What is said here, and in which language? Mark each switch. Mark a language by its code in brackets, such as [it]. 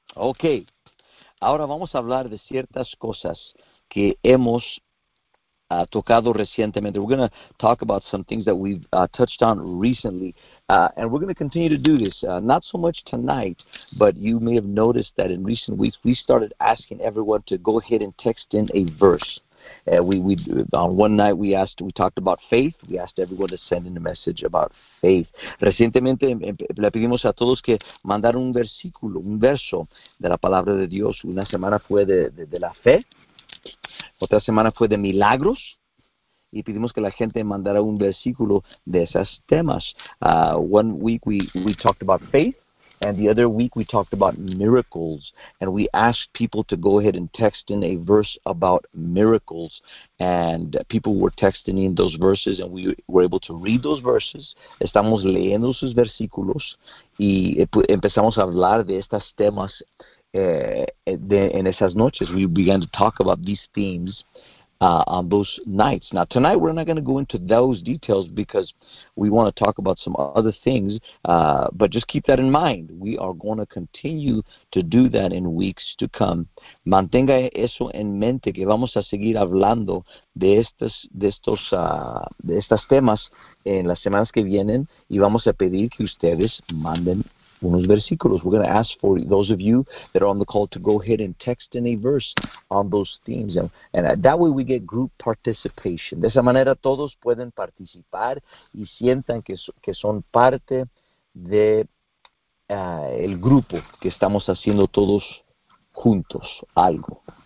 [es] Ok, ahora vamos a hablar de ciertas cosas que hemos tocado recientemente. [en] We're going to talk about some things that we've touched on recently, and we're going to continue to do this, not so much tonight, but you may have noticed that in recent weeks we started asking everyone to go ahead and text in a verse. We on one night we talked about faith. We asked everyone to send in a message about faith. [es] Recientemente le pedimos a todos que mandaran un versículo, un verso de la palabra de Dios. Una semana fue de la fe, otra semana fue de milagros, y pedimos que la gente mandara un versículo de esos temas. [en] One week we talked about faith. And the other week we talked about miracles, and we asked people to go ahead and text in a verse about miracles, and people were texting in those verses, and we were able to read those verses. [es] Estamos leyendo sus versículos y empezamos a hablar de estos temas en esas noches. [en] We began to talk about these themes on those nights. Now, tonight we're not going to go into those details because we want to talk about some other things, but just keep that in mind. We are going to continue to do that in weeks to come. [es] Mantenga eso en mente, que vamos a seguir hablando de estos temas en las semanas que vienen, y vamos a pedir que ustedes manden unos versículos. [en] We're going to ask for those of you that are on the call to go ahead and text in a verse on those themes. And that way we get group participation. [es] De esa manera todos pueden participar y sientan que son parte de el grupo, que estamos haciendo todos juntos algo.